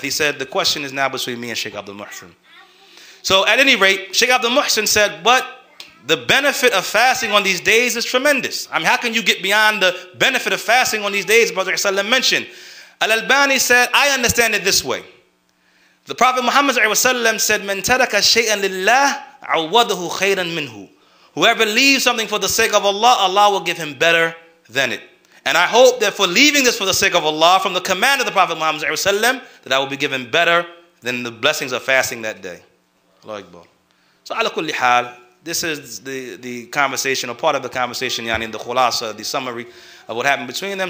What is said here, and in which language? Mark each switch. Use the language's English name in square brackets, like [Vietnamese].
[English] He said, the question is now between me and Sheikh Abdul Muhsin. So at any rate, Sheikh Abdul Muhsin said, but the benefit of fasting on these days is tremendous. I mean, how can you get beyond the benefit of fasting on these days, Brother Sallam mentioned? Al-Albani said, I understand it this way. The Prophet Muhammad said, [Arabic] من ترك شيئا لله عوضه خيرا منه. [English] Whoever leaves something for the sake of Allah, Allah will give him better than it. And I hope that for leaving this for the sake of Allah, from the command of the Prophet Muhammad, that I will be given better than the blessings of fasting that day. Allahu Akbar. So, ala kulli hal, this is the conversation, or part of the conversation, yani, the khulasa, the summary of what happened between them.